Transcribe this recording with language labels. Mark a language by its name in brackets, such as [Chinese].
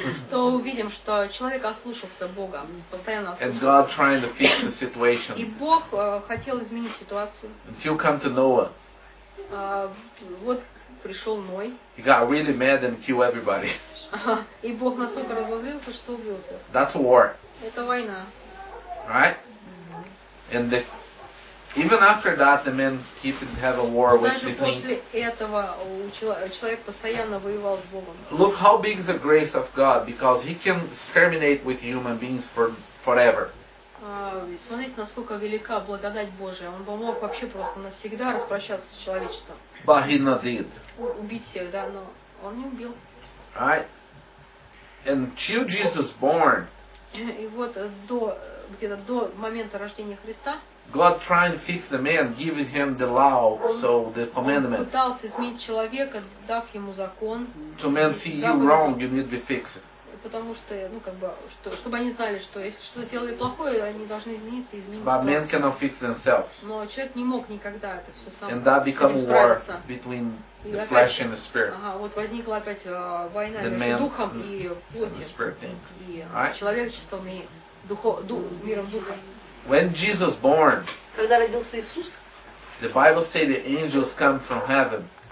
[Russian] То увидим, что человек ослушался Бога, постоянно ослушался. [English] And God trying to fix the situation. [Russian] И Бог хотел изменить ситуацию. [English] Until come to Noah. [Russian] Вот пришел Ной. [English] He got really mad and killed everybody. [Russian] И Бог настолько разозлился, что убился. [English] That's war. [Russian] Это война. [English] Right? And the, even after that, the man keep have a war with between. [Russian] После этого человек постоянно воевал с Богом. [English] Look how big is the grace of God, because He can exterminate with human beings for forever. [Russian] Смотрите, насколько велика благодать Божия. Он помог вообще просто навсегда распрощаться с человечеством. [English] But He not did. [Russian] Убить всех, да, но он не убил. [English] Right. And till Jesus born. [Russian] И вот до где-то до момента рождения Христа. [English] God trying to fix the man, giving him the law, so the commandments. [Russian] Он пытался изменить человека, дав ему закон. [English] To man see you wrong, you need to be fixed. [Russian] Потому что, ну как бы, что, чтобы они знали, что если что-то делали плохое, они должны измениться и изменить. [English] But man cannot fix themselves. [Russian] Но человек не мог никогда это все сам. [English] And that become war between the flesh and the spirit. [Russian] Ага, вот возникла опять война между духом и плотью. [English] Right? [Russian] Человечеством и миром духа. [English] When Jesus born, [Russian] когда родился Иисус, [English] the Bible says the angels come from heaven.